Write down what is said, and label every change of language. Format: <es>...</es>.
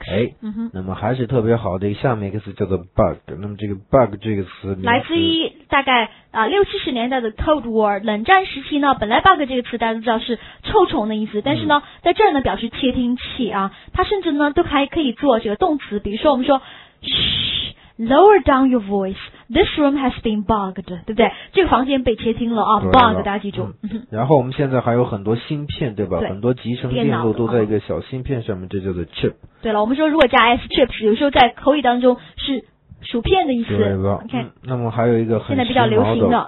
<zh>哎，那么还是特别好的一个下面一个词叫做 bug。那么这个 bug 这个词来自于大概六七十年代的 Cold War 冷战时期呢，本来 bug 这个词大家都知道是臭虫的意思，但是呢在这儿呢表示窃听器它甚至呢都还可以做这个动词。比如说我们说</zh> <en>lower down your voice, this room has been bugged，</en> <zh>对不对？这个房间被窃听了bug， 大家记住。然后我们现在还有很多芯片，对吧？对，很多集成电路都在一个小芯片上面，这叫做 chip。对了，我们说如果加 s chip， 有时候在口语当中是薯片的意思，对吧？ OK，那么还有一个很现在比较流行的</zh>